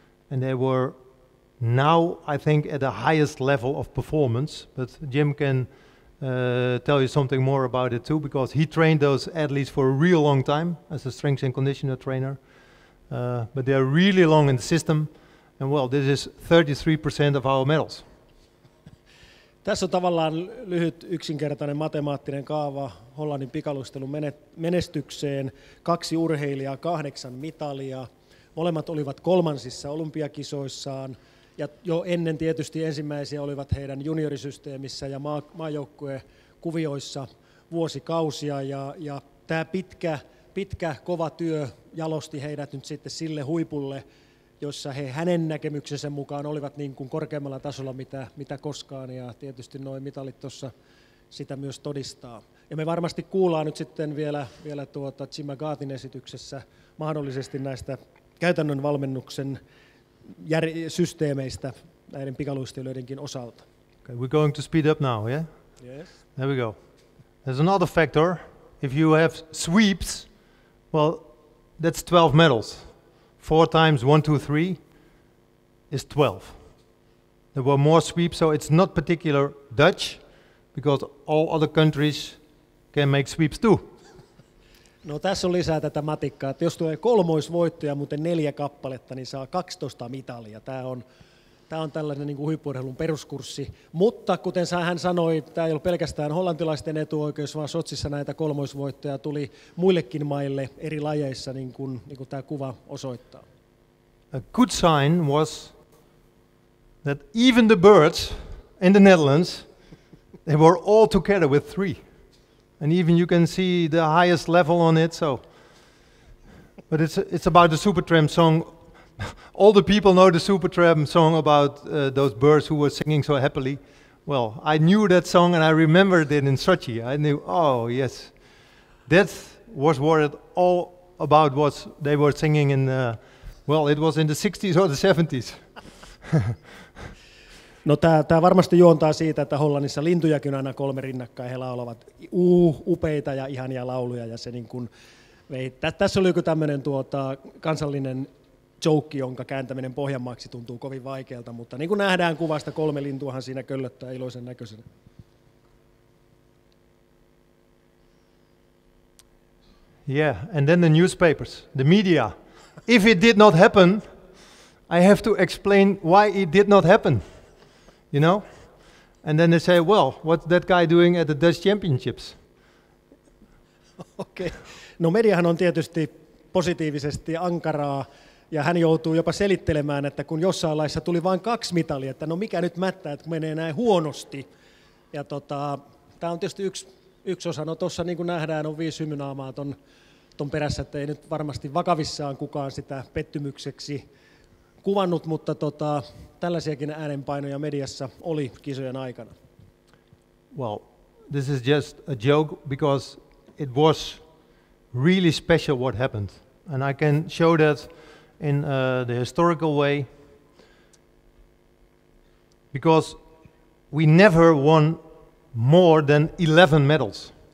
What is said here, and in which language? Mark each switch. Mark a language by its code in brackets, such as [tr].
[en] And they were now, I think, at the highest level of performance. But Jim can tell you something more about it too, because he trained those athletes for a real long time as a strength and conditioner trainer. But they are really long in the system. And well, this is 33% of our medals. [fi] Tässä on tavallaan lyhyt yksinkertainen matemaattinen kaava Hollannin pikaluistelun menestykseen. 2 urheilijaa, 8 mitalia. Molemmat olivat kolmansissa olympiakisoissaan. Ja jo ennen tietysti ensimmäisiä olivat heidän juniorisysteemissä ja maajoukkuekuvioissa vuosikausia. Ja tämä pitkä, kova työ jalosti heidät nyt sitten sille huipulle, jossa he hänen näkemyksensä mukaan olivat niin kuin korkeammalla tasolla mitä koskaan, ja tietysti nuo mitalit tuossa sitä myös todistaa. Ja me varmasti kuullaan nyt sitten vielä Jimma Gaatin esityksessä mahdollisesti näistä käytännön valmennuksen systeemeistä näiden pikaluistelijoidenkin osalta. [en] Okay, we're going to speed up now, yeah? Yes. There we go. There's another factor. If you have sweeps, well, that's 12 medals. 4 times 1, 2, 3 is 12. There were more sweeps, so it's not particular Dutch, because all other countries can make sweeps too. [fi] No, tässä on lisää tätä matikkaa, että jos tulee kolmoisvoittoja, muuten 4 kappaletta, niin saa 12 mitalia. Tämä on tällainen niin kuin huippu-urheilun peruskurssi. Mutta kuten hän sanoi, tämä ei ole pelkästään hollantilaisten etuoikeus, vaan Sotsissa näitä kolmoisvoittoja tuli muillekin maille eri lajeissa, niin kuin tämä kuva osoittaa. [en] A good sign was that even the birds in the Netherlands, they were all together with 3. And even you can see the highest level on it. So. But it's about the Supertramp song. All the people know the Supertramp song about those birds who were singing so happily. Well, I knew that song and I remembered it in Sochi. I knew, oh yes, that was what it all about was they were singing in, it was in the 60s or the 70s. [fi] No, tämä varmasti juontaa siitä, että Hollannissa lintujakin aina 3 rinnakkain. He laulavat upeita ja ihania lauluja. Ja se niin kuin, tässä oli joku tämmöinen kansallinen joke, jonka kääntäminen Pohjanmaaksi tuntuu kovin vaikealta, mutta niin kuin nähdään kuvasta, 3 lintuahan siinä köllöttää iloisen näköisenä. [en] Yeah, and then the newspapers, the media. If it did not happen, I have to explain why it did not happen, you know? And then they say, well, what's that guy doing at the Dutch Championships? Okay. [fi] No, mediahan on tietysti positiivisesti ankaraa, ja hän joutuu jopa selittelemään, että kun jossain laissa tuli vain kaksi mitalia, että no mikä nyt mättää, että menee näin huonosti. Ja tämä on tietysti yksi osa. No tuossa niin kuin nähdään, on viisi hymynaamaa ton perässä, että ei nyt varmasti vakavissaan kukaan sitä pettymykseksi kuvannut, mutta tällaisiakin äänenpainoja mediassa oli kisojen aikana. [en] Well, this is just a joke because it was really special what happened. And I can show that in the historical way, because we never won more than 11 medals.